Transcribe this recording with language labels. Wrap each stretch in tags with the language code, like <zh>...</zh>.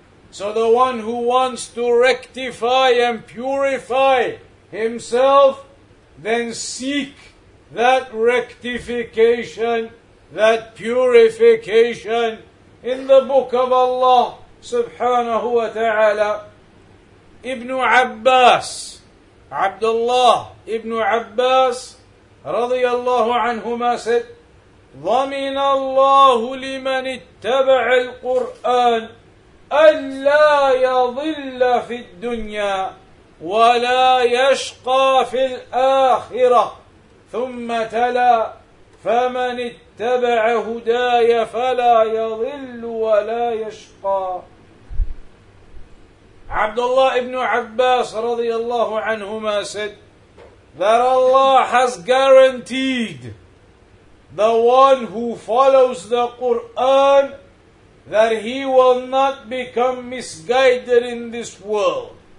<en>So the one who wants to rectify and purify himself, then seek that rectification, that purification in the book of Allah subhanahu wa ta'ala. Ibn Abbas, Abdullah ibn Abbas radiyallahu anhuma, said,</en> <ar>ضَمِنَ اللَّهُ لِمَنِ اتَّبَعَ الْقُرْآنِ أَلَّا يَضِلَّ فِي الدُّنْيَا وَلَا يَشْقَى فِي الْآخِرَةِ ثُمَّ تَلَى فَمَنِ اتَّبَعَ هُدَايَ فَلَا يَضِلُّ وَلَا يَشْقَى.</ar> <en>Abdullah ibn Abbas radiyallahu anhuma said that Allah has guaranteed the one who follows the Qur'an that he will not become misguided in this world.</en>